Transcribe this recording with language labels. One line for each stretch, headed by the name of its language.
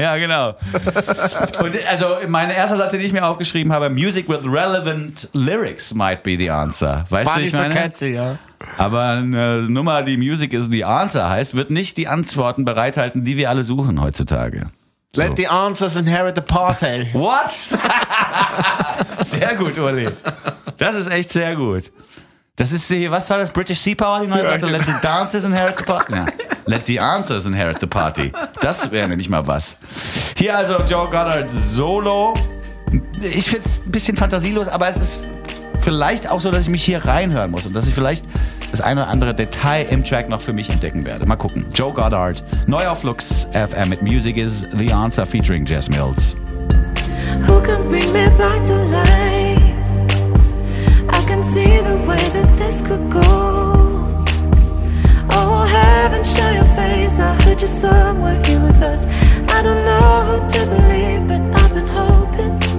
German: Ja, genau. Und also mein erster Satz, den ich mir aufgeschrieben habe,
English: Music with relevant lyrics might be the answer.
German: Weißt du, was ich meine? War nicht so catchy, ja. Aber eine Nummer, die Music is the answer heißt, wird nicht die Antworten bereithalten, die wir alle suchen heutzutage. So.
English: Let the answers inherit the party.
German: What? Sehr gut, Uli. Das ist echt sehr gut. Das ist die, was war das? British Sea Power? Die neue, also,
English: let the dancers inherit the party.
German: Ja.
English: Let the answers inherit the party.
German: Das wäre nämlich mal was. Hier also Joe Goddard solo. Ich finde es ein bisschen fantasielos, aber es ist vielleicht auch so, dass ich mich hier reinhören muss und dass ich vielleicht das ein oder andere Detail im Track noch für mich entdecken werde. Mal gucken. Joe Goddard, neu auf Lux FM mit Music is the Answer featuring Jess Mills.
English: Who can bring me back to life? I can see the way that this could go. Oh, heaven, show your face. I heard you somewhere here with us. I don't know who to believe, but I've been hoping.